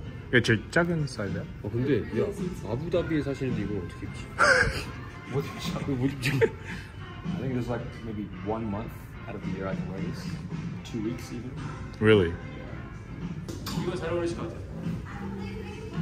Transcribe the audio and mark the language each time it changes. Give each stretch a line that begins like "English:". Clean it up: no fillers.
Korean: 이게 제일 작은 사이즈야. 어, 근데 야, 아부다비에 사시는데 이걸 어떻게 입지? 못 입지. 이걸 못 입지.
English: I think it's like maybe 1 month out of the year I can wear this. 2 weeks even. Really?
Korean: 이거 잘 어울리실 것 같아.